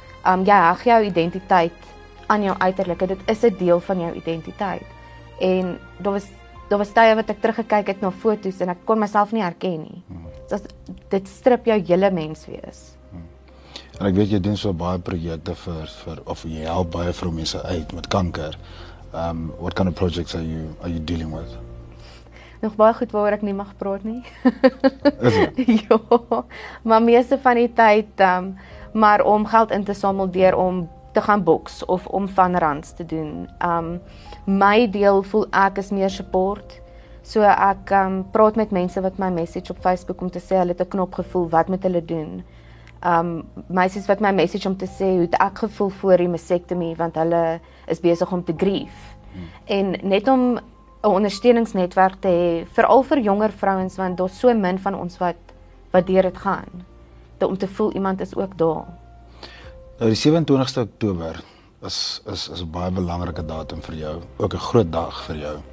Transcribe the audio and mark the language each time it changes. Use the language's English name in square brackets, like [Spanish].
[Afrikaans] Jy heg jou identiteit aan jou uiterlike. Dit is 'n deel van jou identiteit. En daar was tye wat ek teruggekyk het na foto's en ek kon myself nie herken nie. So, dit strip jou hele menswees. En ek weet jy doen so baie projekte vir of jy help baie vrou mense uit met kanker. [English] What kind of projects are you dealing with? [Afrikaans] Nog baie goed waaroor ek nie mag praat nie. Is dit? Ja. Maar meeste van die tyd maar om geld in te samel deur om te gaan boks of om van rands te doen. My deel voel ek is meer support. So ek praat met mense wat my message op Facebook om te sê hulle het 'n knop gevoel, wat moet hulle doen? Meisies wat my message om te sê hoe het ek gevoel voor die mastektomie want hulle is besig om te grief. En net om 'n ondersteuningsnetwerk te hê, veral vir jonger vrouens want daar's so min van ons wat deur dit gaan. Te om te voel iemand is ook daar. Die 27ste Oktober is 'n baie belangrike datum vir jou, ook 'n groot dag vir jou.